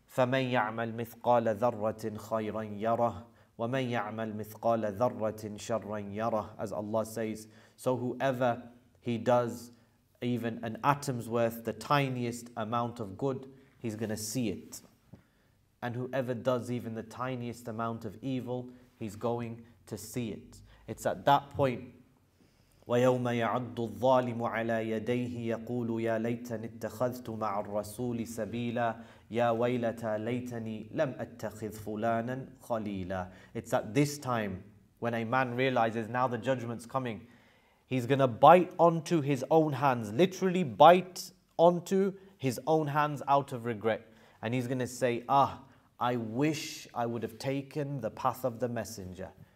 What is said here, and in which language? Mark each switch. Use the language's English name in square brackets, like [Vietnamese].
[Arabic] فَمَنْ يَعْمَلْ مِثْقَالَ ذَرَّةٍ خَيْرًا يَرَهُ وَمَنْ يَعْمَلْ مِثْقَالَ ذَرَّةٍ شَرًّا يَرَهُ. [English] As Allah says, so whoever he does even an atom's worth, the tiniest amount of good, he's going to see it. And whoever does even the tiniest amount of evil, he's going to see it. [Arabic] It's at that point, وَيَوْمَ يَعَدُّ الظَّالِمُ عَلَى يَدَيْهِ يَقُولُ يَا لَيْتَنِ اتَّخَذْتُ مَعَ الرَّسُولِ سَبِيلًا يَا وَيْلَتَا لَيْتَنِي لَمْ أَتَّخِذْ فُلَانًا خَلِيلًا. [English] It's at this time when a man realizes now the judgment's coming. He's going to bite onto his own hands, literally bite onto his own hands out of regret. And he's going to say, ah, I wish I would have taken the path of the messenger.